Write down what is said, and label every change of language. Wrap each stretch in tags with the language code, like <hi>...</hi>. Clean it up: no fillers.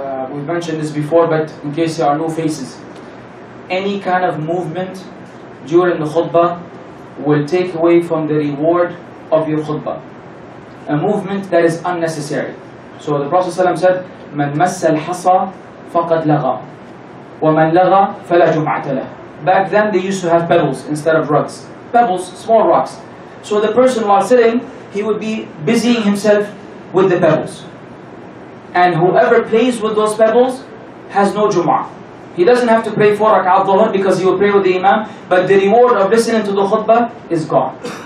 <en>We've mentioned this before, but in case there are new faces, any kind of movement during the khutbah will take away from the reward of your khutbah. A movement that is unnecessary. So the Prophet ﷺ said,</en> <ar>مَنْ مَسَّ الْحَصَى فَقَدْ لَغَى وَمَنْ لَغَى فَلَا جُمْعَةَ لَهُ.</ar> <en>Back then they used to have pebbles instead of rocks. Pebbles, small rocks. So the person while sitting, he would be busying himself with the pebbles. And whoever plays with those pebbles has no Jumu'ah. He doesn't have to pray four rak'at dhuhr because he will pray with the imam, but the reward of listening to the khutbah is gone.</en>